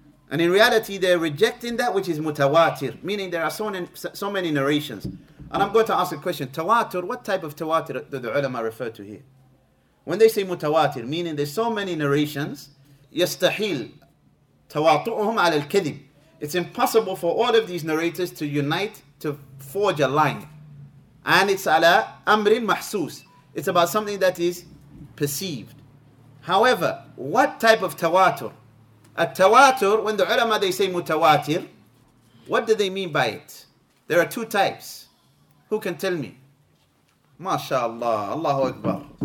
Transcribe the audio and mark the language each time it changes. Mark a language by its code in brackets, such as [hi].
[en] And in reality, they're rejecting that which is mutawatir, meaning there are so many narrations. And I'm going to ask a question. Tawatir, what type of tawatir do the ulama refer to here? When they say mutawatir, meaning there's so many narrations, [ar] يستحيل تواطؤهم على الكذب. [en] It's impossible for all of these narrators to unite, to forge a line. And it's [ar] على أمر محسوس. [en] It's about something that is perceived. However, what type of تواتر? A تواتر, when the ulama they say متواتر, what do they mean by it? There are two types. Who can tell me? MashaAllah, Allahu Akbar.